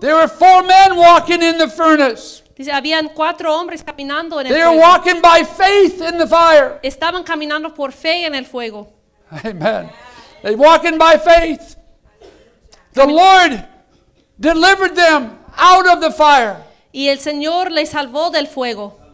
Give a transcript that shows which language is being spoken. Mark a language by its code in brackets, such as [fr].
[en] There were four men walking in the furnace. [es] Dice, habían cuatro hombres caminando en el [en] fuego. They were walking by faith in the fire. [es] Estaban caminando por fe en el fuego. [en] Amen. They walking by faith. The Lord delivered them out of the fire. [es] Y el Señor les salvó del fuego.